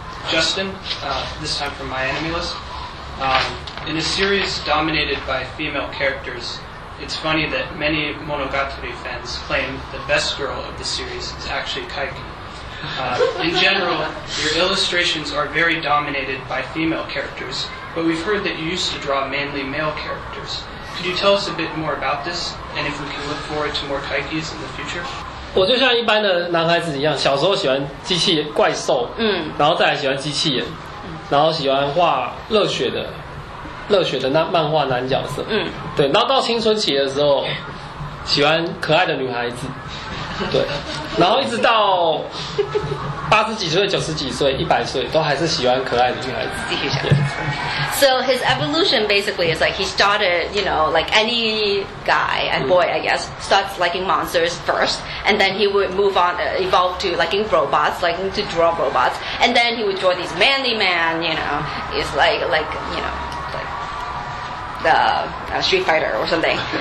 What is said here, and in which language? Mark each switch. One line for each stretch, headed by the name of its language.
English: Justin, this time from my anime list. In a series dominated by female characters, it's funny that many Monogatari fans claim the best girl of the series is actually Kaiki. In general, your illustrations are very dominated by female characters. But we've heard that you used to draw mainly male characters. Could you tell us a bit more about this, and if we can look forward to more Kaikis in the future?
Chinese: 我就像一般的男孩子一样，小时候喜欢机器人怪兽，然后再来喜欢机器人，然后喜欢画热血的热血的那漫画男角色。嗯，对。然后到青春期的时候，喜欢可爱的女孩子。对，然后一直到八十几岁、九十几岁、一百岁，都还是喜欢可爱的女孩子。
English: So his evolution basically is like he started, you know, like any guy and boy, I guess, starts liking monsters first, and then he would move on, evolve to liking robots, liking to draw robots, and then he would draw these manly man, you know, is like, you know, like the Street Fighter or something.